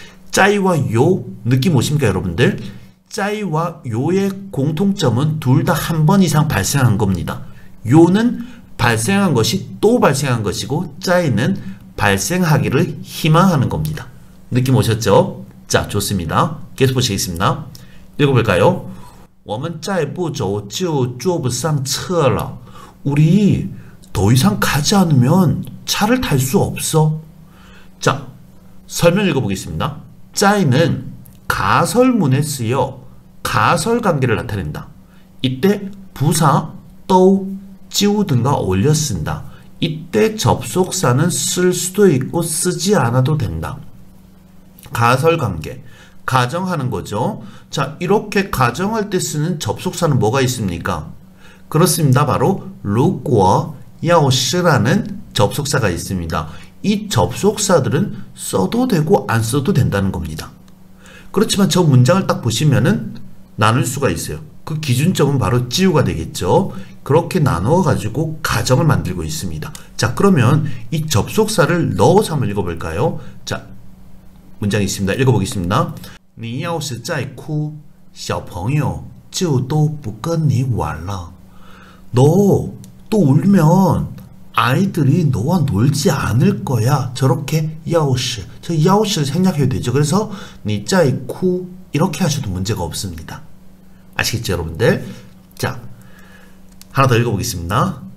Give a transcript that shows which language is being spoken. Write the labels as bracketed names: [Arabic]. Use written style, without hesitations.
[Korean] 짜이와 요 느낌 오십니까 여러분들? 짜이와 요의 공통점은 둘 다 한 번 이상 발생한 겁니다. 요는 발생한 것이 또 발생한 것이고 짜이는 발생하기를 희망하는 겁니다. 느낌 오셨죠? 자, 좋습니다. 계속 보시겠습니다. 읽어볼까요? [Chinese] 我们再不走就坐不上车了。 [Korean] 우리 더 이상 가지 않으면 차를 탈수 없어. 자, 설명 읽어보겠습니다. 짜이는 가설문에 쓰여 가설 관계를 나타낸다. 이때 부사 또 지우든가 올려 쓴다. 이때 접속사는 쓸 수도 있고 쓰지 않아도 된다. 가설 관계. 가정하는 거죠. 자, 이렇게 가정할 때 쓰는 접속사는 뭐가 있습니까? 그렇습니다. 바로 如果 要是라는 접속사가 있습니다. 이 접속사들은 써도 되고 안 써도 된다는 겁니다. 그렇지만 저 문장을 딱 보시면은 나눌 수가 있어요. 그 기준점은 바로 지우가 되겠죠. 그렇게 나누어 가지고 가정을 만들고 있습니다. 자, 그러면 이 접속사를 넣어서 한번 읽어볼까요? 자, 문장이 있습니다. 읽어보겠습니다. [Chinese] 你要是再哭，小朋友就都不跟你玩了。 [Korean] 너또 울면 아이들이 너와 놀지 않을 거야. 저렇게 야오시, 저 야오시를 생략해도 되죠. 그래서 니 짜이 쿠 이렇게 하셔도 문제가 없습니다. 아시겠죠, 여러분들? 자, 하나 더 읽어보겠습니다.